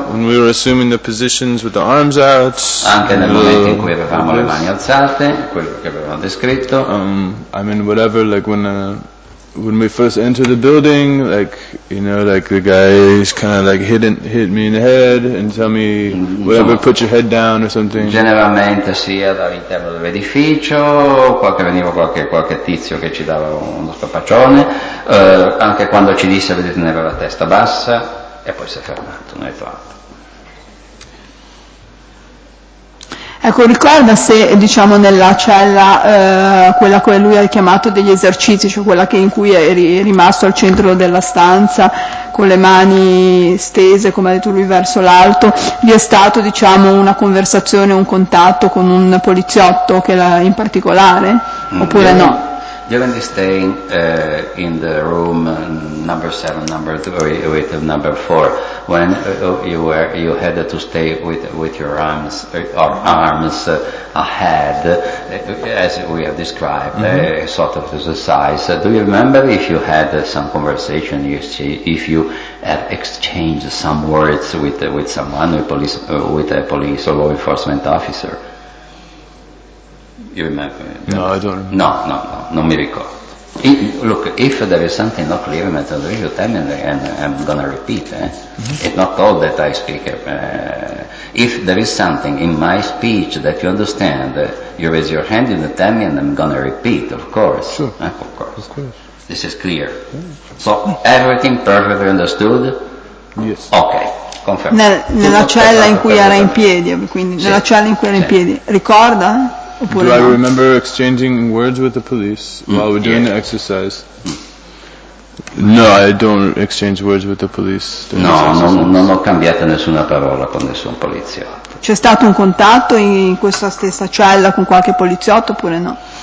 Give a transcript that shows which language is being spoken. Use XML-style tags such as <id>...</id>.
<en>When we were assuming the positions with the arms out.</en> <it>Anche nel momento in cui avevamo le mani alzate, quello che avevamo descritto.</it> <en>I mean, whatever, like when we first enter the building, like, you know, like the guy is kind of like hit me in the head and tell me whatever, put your head down or something.</en> <it>Generalmente sia dall'interno dell'edificio, qualche tizio che ci dava uno scopaccione, anche quando ci disse di tenere la testa bassa, e poi si è fermato, non è fatto. Ecco, ricorda se, diciamo, nella cella, quella che lui ha chiamato degli esercizi, cioè quella che in cui eri rimasto al centro della stanza, con le mani stese, come ha detto lui, verso l'alto, vi è stato, diciamo, una conversazione, un contatto con un poliziotto che era in particolare, oppure no?</it> <en>You're going to stay in the room number 7, number 3, with number 4. When you had to stay with your arms, or arms ahead, as we have described, a sort of exercise. Do you remember if you had some conversation, if you had exchanged some words with someone, with a police or law enforcement officer? You remember? No,</en> <it>non mi ricordo.</it> <en>Look, if there is something not clear, tell me, you tell me, and I'm gonna repeat. It's not all that I speak. If there is something in my speech that you understand, you raise your hand, you tell me, and I'm gonna repeat, of course. Sure. Of course. This is clear. Yeah. So, everything perfectly understood? Yes.</en> <it>Okay. Confermo. Nella cella in cui era in piedi, quindi, sì. Nella cella in cui era in piedi, ricorda?</it> <en>Do I remember exchanging words with the police while we're doing the exercise? No, I don't exchange words with the police.</en> <it>No, non ho cambiato nessuna parola con nessun poliziotto. C'è stato un contatto in questa stessa cella con qualche poliziotto oppure no?</it>